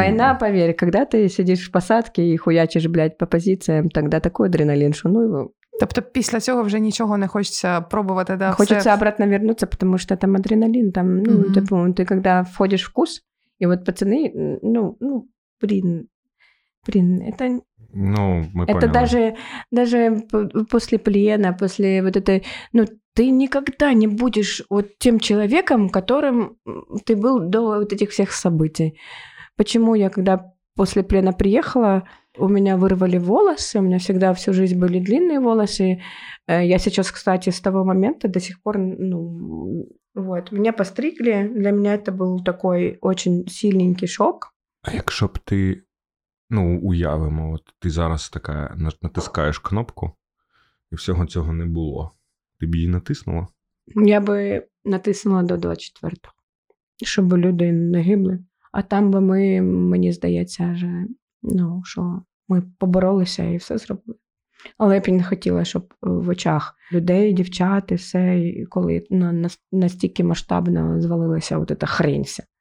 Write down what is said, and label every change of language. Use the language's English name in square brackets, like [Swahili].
[Ukrainian] війна, повір, коли ти сидиш в посадці і хуячиш, блядь, по позиціям, тоді такий адреналін, що ну... Тобто після цього вже нічого не хочеться пробувати, да? Хочеться обратно вернутися, тому що там адреналін, там, ну, типу, ти коли входиш в вкус, і от пацани, ну, блін, це... Ну, ми поняли. Це навіть після плена, після [Russian] вот этой, ну, ты никогда не будешь вот тем человеком, которым ты был до вот этих всех событий. Почему я, когда после плена приехала, у меня вырвали волосы, у меня всегда всю жизнь были длинные волосы. Я сейчас, кстати, с того момента до сих пор, ну, вот, меня постригли. Для меня это был такой очень сильненький шок. [Ukrainian] А якщо б [Russian] ты, ну, уявимо, вот ты зараз такая натискаешь кнопку, и всего этого не было. [Ukrainian] Ти б її натиснула? Я би натиснула до 24-го, щоб люди не гибли. А там би ми, мені здається, вже, ну, що ми поборолися і все зробили. Але я б не хотіла, щоб в очах людей, дівчат і все, коли настільки масштабно звалилася от ця хрінься.